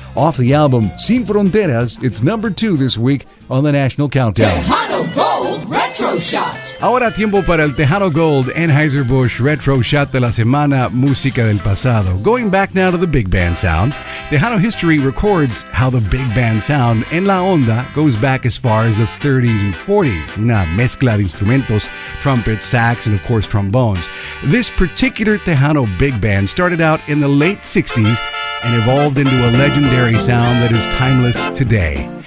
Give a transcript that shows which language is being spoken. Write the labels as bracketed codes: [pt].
[en] Off the album Sin Fronteras, it's number 2 this week on the National Countdown. Tejano Gold Retro Shot. [es] Ahora tiempo para el Tejano Gold Anheuser-Busch Retro Shot de la semana, música del pasado. [en] Going back now to the big band sound, Tejano history records how the big band sound [es] en la onda [en] goes back as far as the 30s and 40s. [es] Una mezcla de instrumentos, [en] trumpets, sax, and of course trombones. This particular Tejano big band started out in the late 60s and evolved into a legendary sound that is timeless today.